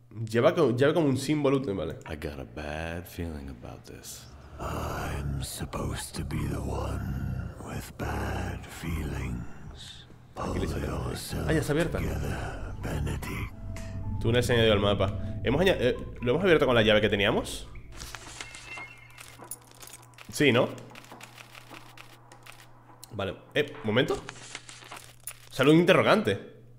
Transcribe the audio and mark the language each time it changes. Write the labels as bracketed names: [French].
[Spanish] Lleva como un símbolo, vale. [English] I got a bad feeling about this. I'm supposed to be the one with bad feelings. [Spanish] Ya está abierta. Tú no has añadido al mapa. ¿Lo hemos abierto con la llave que teníamos? Sí, ¿no? Vale, momento. Sale un interrogante.